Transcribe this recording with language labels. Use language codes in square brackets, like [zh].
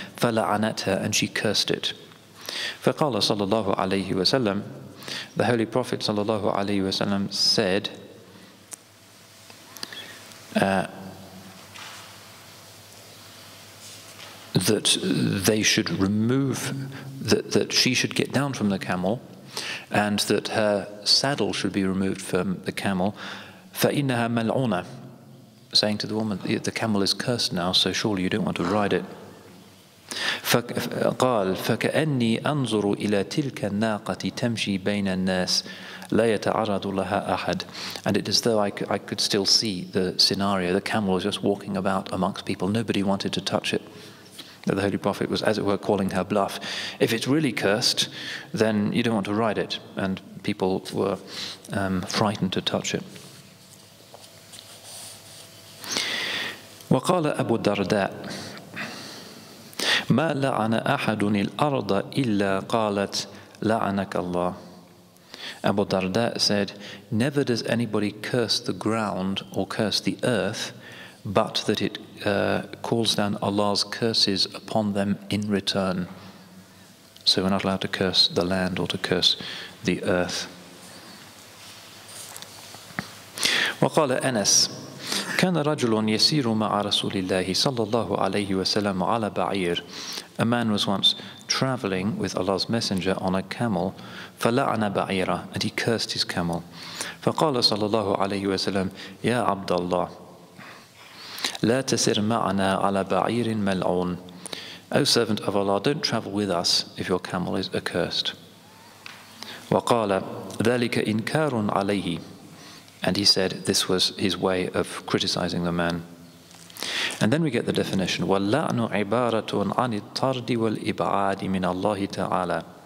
[ar] فلعنت [en] her, and she cursed it. [ar] فقال صلى الله عليه وسلم, [en] the Holy Prophet [ar] صلى الله عليه وسلم [en] said, that they should remove, that she should get down from the camel and that her saddle should be removed from the camel, [ar] فَإِنَّهَا مَلْعُونَ, [en] saying to the woman, the camel is cursed now, so surely you don't want to ride it. [ar] فقال فكأني أنظر إلى تلك الناقة تمشي بين الناس لا يتعرض لها أحد. [en] And it is though I could still see the scenario. The camel was just walking about amongst people. Nobody wanted to touch it. The Holy Prophet was, as it were, calling her bluff. If it's really cursed, then you don't want to ride it. And people were frightened to touch it. [ar] وقال أبو الدرداء ما لعن أحد الأرض إلا قالت لعنك الله. [en] Abu Darda said, never does anybody curse the ground or curse the earth, but that it calls down Allah's curses upon them in return. So we're not allowed to curse the land or to curse the earth. [ar] وقال أنس كان رجل يسير مع رسول الله صلى الله عليه وسلم على بعير. [en] A man was once traveling with Allah's messenger on a camel. [ar] فلعن بعيرا, [en] and he cursed his camel. [ar] فقال صلى الله عليه وسلم يا عبد الله لا تسر معنا على بعير ملعون. [en] O servant of Allah, don't travel with us if your camel is accursed. [ar] وقال ذلك إنكار عليه. [en] And he said this was his way of criticizing the man. And then we get the definition. [ar] وَاللَّعْنُ عِبَارَةٌ عَنِ الطَّرْدِ وَالْإِبْعَادِ مِنَ اللَّهِ تَعَالَى.